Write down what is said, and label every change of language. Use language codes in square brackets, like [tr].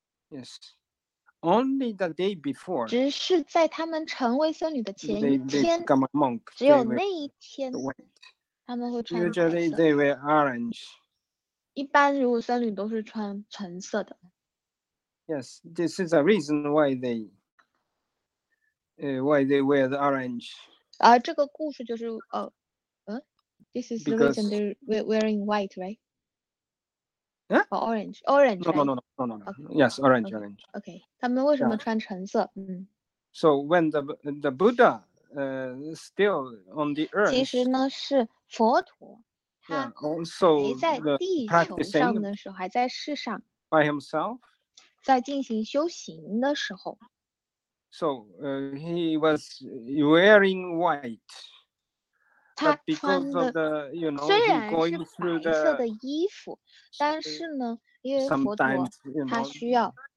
[en] Yes, only the day before. [zh] 只是在他们成为僧侣的前一天。 [en] They become a monk. [zh] 只有那一天，他们会穿白色。 [en] Usually they wear orange. [zh] 一般如果僧侣都是穿橙色的。 [en] Yes, this is a reason why they wear the orange. [zh] 这个故事就是 [en] this is the reason they're wearing white, right? Yeah? Orange. No. Okay. Yes, orange. [zh] Okay. 他们为什么穿橙色？Yeah. [en] So when the Buddha still on the earth. [zh] 其实呢是佛陀，他还在地球上的时候，还在世上。 [en] By himself. [zh] 在进行修行的时候 [en] ，so he was wearing white. [zh] 他穿的 虽然是白色的衣服，但是呢，因为佛陀他需要，